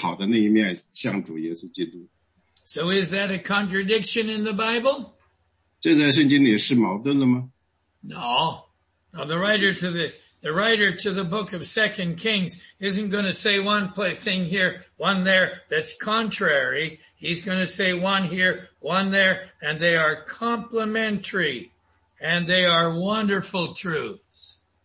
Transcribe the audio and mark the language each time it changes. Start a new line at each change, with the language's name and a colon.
Chinese: 所以每个人都可以让我们自己能够做得最好的为了主耶稣基督。所以说呢，你按照你自己的方式做得最好，所以没有其他的人像你一样。所以但是呢，我们所有的人都可以向自己最好的那一面向主耶稣基督。
English: So is that a contradiction in the Bible?
Chinese: 这在圣经里是矛盾的吗?
English: No. Now the writer to the book of 2 Kings isn't going to say one thing here, one there that's contrary. He's going to say one here, one there, and they are complementary, and they are wonderful truths.